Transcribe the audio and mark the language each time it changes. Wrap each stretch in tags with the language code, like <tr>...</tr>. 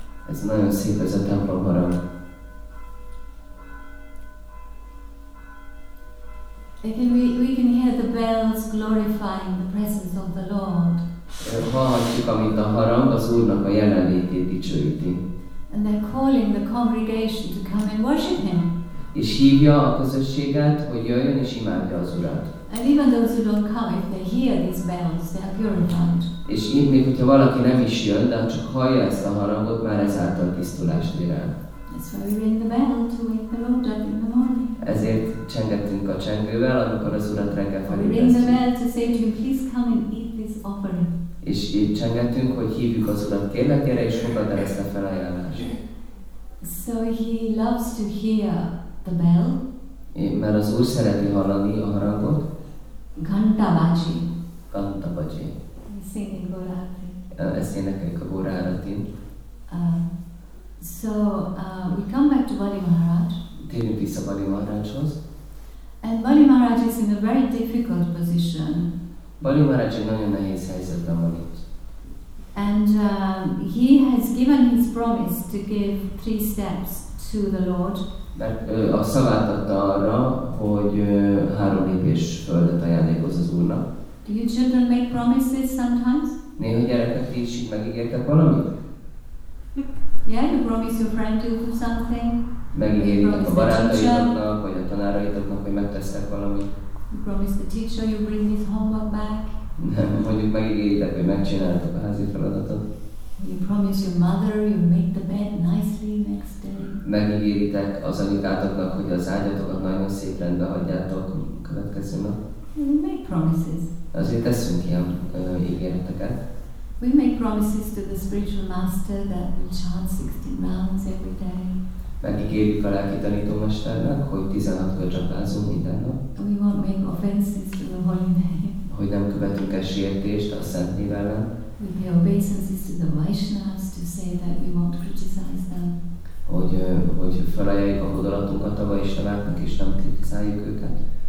<hu>Ez nagyon szép, ez a templom harag.</hu> <en>We can hear the bells glorifying the presence of the Lord.</en> <hu>Hallhatjuk, amint a harang az Úrnak a jelenlétét dicsőíti.</hu> <en>And they're calling the congregation to come and worship Him.</en> <hu>És hívja a közösséget, hogy jöjjön és imádja az Urat.</hu> <en>And even those who don't come, if they hear these bells, they are purified.</en> <hu>És így még, hogyha valaki nem is jön, de csak hallja ezt a harangot, már ezáltal tisztulást ér el.</hu> <en>That's why we ring the bell to wake the Lord up in the morning.</en> <hu>Ezért csengettünk a csengővel, amikor az Urat reggel felébresztjük.</hu> <en>Ring the bell to say to Him, please come and eat this offering.</en> <hu>És így csengettünk, hogy hívjuk az Urat, kérlek, gyere és fogadd el ezt a felajánlást.</hu> <en>So He loves to hear the bell.</en> <hu>Mert az Úr szereti hallani a harangot. Ganta bácsi. Ganta bácsi.</hu> <en>Singing Gorárati.</en> <hu>Ezt énekeljük a Gorárati-n.</hu> <en>So we come back to Bali Maharaj.</en> <hu>Térjünk vissza Bali Maharajhoz.</hu> <en>And Bali Maharaj is in a very difficult position.</en> <hu>Bali Maharaj egy nagyon nehéz helyzetben van itt.</hu> <en>And he has given his promise to give 3 steps to the Lord.</en> <hu>Mert a szavát adta arra, hogy három lépés földet ajándékoz az Úrnak.</hu> <en>Do you children make promises sometimes?</en> <hu>Néha gyerekek is így megígértek valamit?</hu> <en>Yeah, you promise your friend to do something.</en> <hu>Megígéritek a barátaidoknak, vagy a tanáraidoknak, hogy megtesztek valamit.</hu> <en>You promise the teacher you bring his homework back.</en> <hu>Mondjuk megígéritek, hogy megcsináltok a házi feladatot.</hu> <en>You promise your mother you make the bed nicely next day.</en> <hu>Megígéritek az anyukátoknak, hogy az ágyatokat nagyon szép rendbe hagyjátok a következő nap.</hu> <en>We make promises.</en> <hu>Azért teszünk ilyen ígéreteket.</hu> <en>We make promises to the spiritual master that we chant 16 rounds every day.</en> <hu>Megígérjük a lelki tanítómesternek, hogy 16 kör csapázunk minden nap.</hu> <en>We won't make offenses to the holy name.</en> <hu>Hogy nem követünk el sértést a szent név ellen.</hu> <en>We pay obeisances to the Vaishnavas to say that we won't criticize them.</en> <hu>Hogy felajánljuk a hodolatunkat a Vaishnavaknak és nem kritizáljuk őket.</hu>